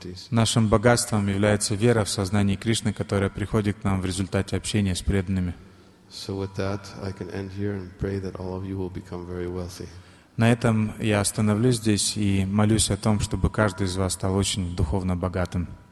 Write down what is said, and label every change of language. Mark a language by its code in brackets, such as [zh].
[ru] Нашим богатством является вера в сознании Кришны, которая приходит к нам в результате общения с преданными. [en] So with that, I can end here and pray that all of you will become very wealthy. [ru] На этом я остановлюсь здесь и молюсь о том, чтобы каждый из вас стал очень духовно богатым.